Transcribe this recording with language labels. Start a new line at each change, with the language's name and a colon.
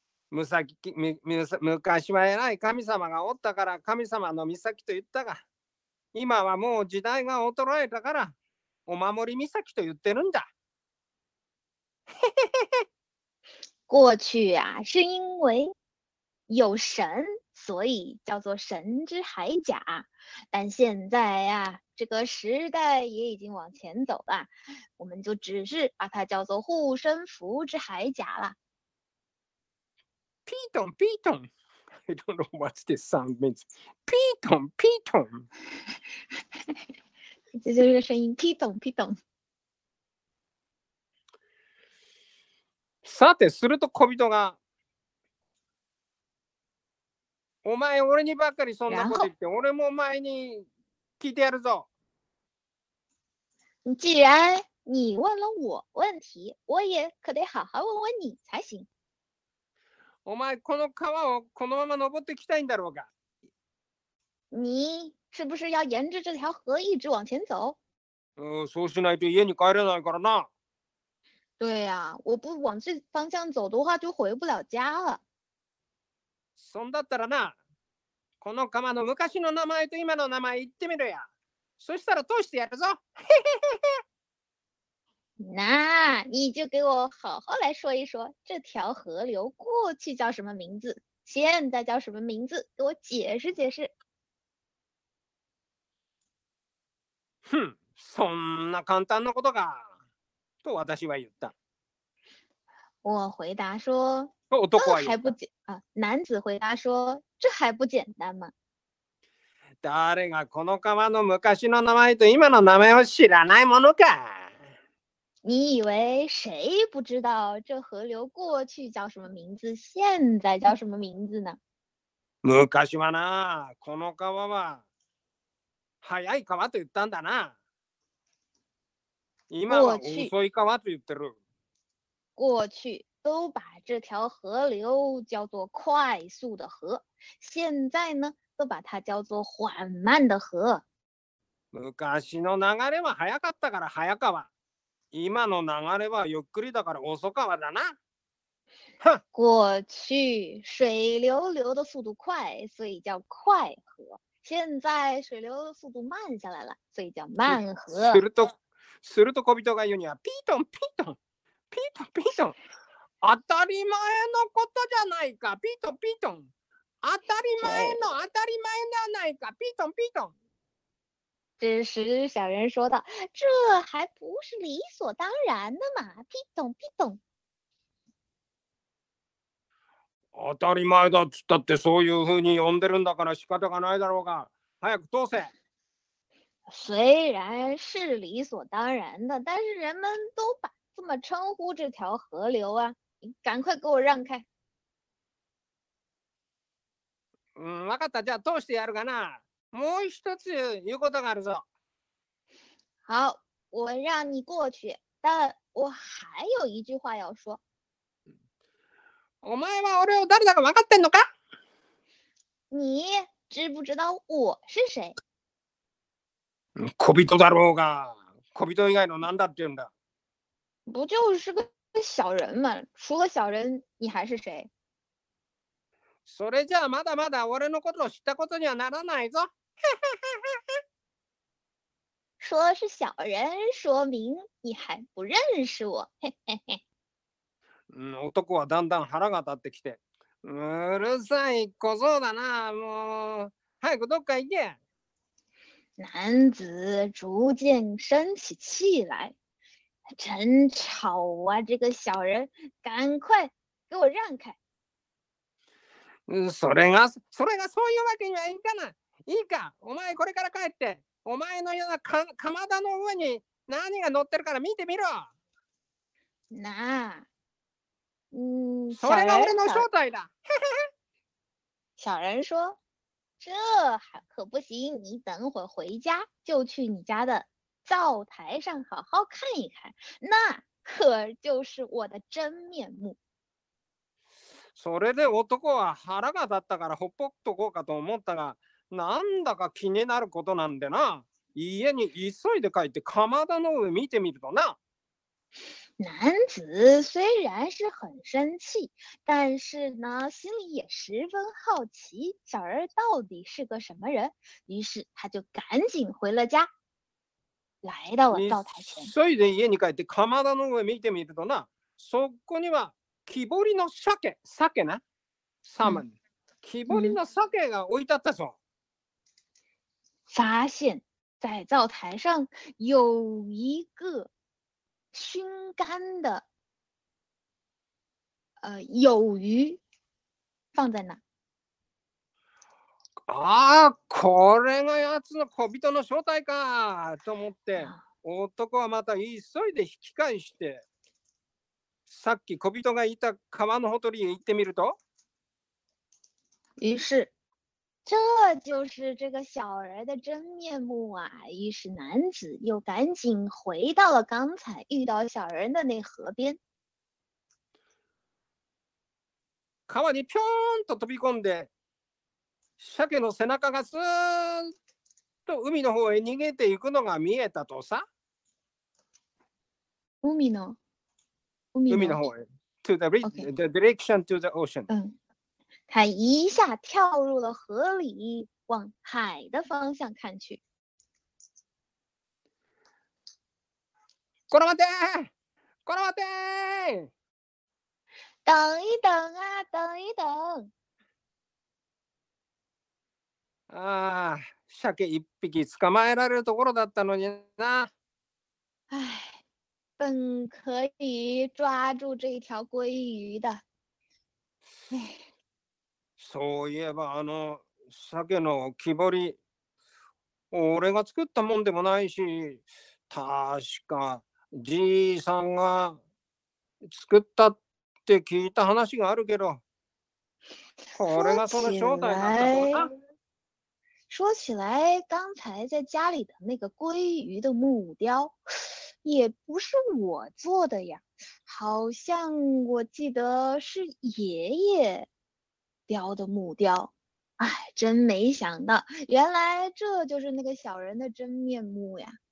Japanese: 昔は偉い神様がおったから神様の岬と言ったが、今はもう時代が衰えたからお守り岬と言ってるんだ。
Chinese: 过去啊，是因为有神，所以叫做神之海甲，但现在啊，这个时代也已经往前走了，我们就只是把它叫做护身符之海甲了。
English: Piton, piton, I don't know what this sound means. Piton, piton.
Chinese: 这就是个声音 ，piton, piton。
Japanese: さて、すると小人が、お前、俺にばっかりそんなこと言って、俺もお前に聞いてやるぞ。
Chinese: 既然你问了我问题，我也可得好好问问你才行。
Japanese: お前この川をこのまま登ってきたいんだろうか。
Chinese: 你是不是要沿着这条河一直往前走？
Japanese: そうしないと家に帰れないからな。
Chinese: 对呀、啊，我不往这方向走的话，就回不了家了。
Japanese: そんだったらな、この川の昔の名前と今の名前言ってみろや。そしたら通してやるぞ。
Chinese: 那你就给我好好来说一说，这条河流过去叫什么名字，现在叫什么名字，给我解释解释。
Japanese: 哼，そんな簡単なことか。と私は言った。
Chinese: 我回答说，
Japanese: 男
Chinese: 还不简啊？男子回答说，这还不简单吗？
Japanese: 誰がこの川の昔の名前と今の名前を知らないものか。
Chinese: 你以为谁不知道这河流过去叫什么名字，现在叫什么名字呢？
Japanese: 昔はな、この川は早い川と言ったんだな。今は遅い川と言ってる。
Chinese: 过去都把这条河流叫做快速的河，现在呢？都把它叫做缓慢的河。
Japanese: 昔の流れは早かったから早川。今の流れはゆっくりだから遅川だな。
Chinese: 过去水流流的速度快，所以叫快河。现在水流的速度慢下来了，所以叫慢河。
Japanese: すると小人が言うにはピートンピートンピートンピートン、当たり前のことじゃないか、ピートンピートン、当たり前の当たり前じゃないか、ピートンピートン。
Chinese: 这时小人说道，这还不是理所当然的嘛，ピートンピートン。
Japanese: 当たり前だっつったってそういうふうに呼んでるんだから仕方がないだろうが、早く通せ。
Chinese: 虽然是理所当然的，但是人们都把这么称呼这条河流啊，你赶快给我让开。
Japanese: 分かった、じゃあ通してやるかな。もう一つ言うことがあるぞ。
Chinese: 好，我让你过去，但我还有一句话要说。
Japanese: お前は俺を誰だか分かってんのか？
Chinese: 你知不知道我是谁？
Japanese: 小人だろうが、小人以外の何だって言うんだ？
Chinese: 不就是个小人吗？除了小人，你还是谁？
Japanese: それじゃあまだまだ俺のことを知ったことにはならないぞ。
Chinese: 说是小人，说明你还不认识我。
Japanese: 男はだんだん腹が立ってきて、うるさい小僧だな、もう早くどっか行け。
Chinese: 男子逐渐生起气来，真吵啊，这个小人，赶快给我让开。
Japanese: それがそういうわけにはいかない。いいか、お前これから帰って、お前のような かまだの上に何が乗ってるから見てみろ。なあ。それが俺の正体だ。
Chinese: 小人说，这可不行，你等会回家就去你家的灶台上好好看一看，那可就是我的真面目。
Japanese: それで男は腹が立ったからほっぽっとこうかと思ったが、なんだか気になることなんでな、家に急いで帰ってかまどの上見てみるとな。
Chinese: 男子虽然是很生气，但是呢，心里也十分好奇小人到底是个什么人，于是他就赶紧回了家，来到了灶台前。
Japanese: 急いで家に帰ってかまどの上見てみるとな、そこには木彫りの鮭、鮭な、サーモン、木彫りの鮭が置いてあったぞ。
Chinese: 发现在灶台上有一个熏干的有鱼放在哪？
Japanese: あ、これがやつの小人の正体かと思って、男はまた急いで引き返して、さっき小人がいた川のほとりへ行ってみると、
Chinese: 于是，这就是这个小人的真面目啊！于是男子又赶紧回到了刚才遇到小人的那河边。
Japanese: 川にピョーンと飛び込んで、鮭の背中がスーッと海の方へ逃げていくのが見えたとさ。海の方へ。
English: To the reach,、okay. the direction to the ocean.、
Chinese: 嗯，他一下跳入了河里，往海的方向看去。
Japanese: こら待て！こら待て！
Chinese: 等一等啊，等一等！
Japanese: ああ、鮭一匹捕まえられるところだったのにな。
Chinese: 唉，本可以抓住这条鲑鱼的。
Japanese: そういえばあの鮭の木彫り、俺が作ったもんでもないし、確かじいさんが作ったって聞いた話があるけど、これがその正体なんだろうな。
Chinese: 说起来，刚才在家里的那个鲑鱼的木雕，也不是我做的呀，好像我记得是爷爷雕的木雕，哎，真没想到，原来这就是那个小人的真面目呀。